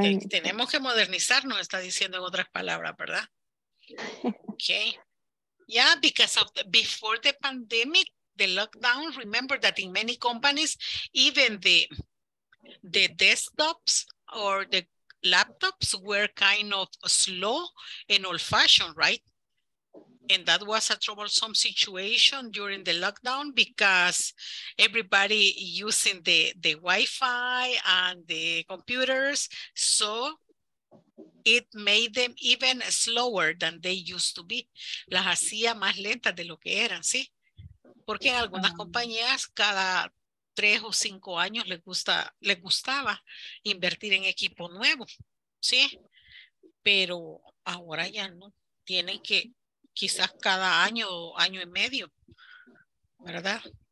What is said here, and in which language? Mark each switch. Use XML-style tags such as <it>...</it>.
<es>Tenemos que modernizarnos, está diciendo en otras palabras, ¿verdad?</es> <en>Okay. Yeah, because of before the pandemic, the lockdown, remember that in many companies, even the desktops or the laptops were kind of slow and old fashioned, right? And that was a troublesome situation during the lockdown because everybody using the Wi-Fi and the computers. So it made them even slower than they used to be.</en> <es>Las hacía más lentas de lo que eran, ¿sí? Porque en algunas compañías cada 3 o 5 años les gustaba invertir en equipo nuevo, ¿sí? Pero ahora ya no. Tienen que quizás cada año o año y medio, ¿verdad?</es>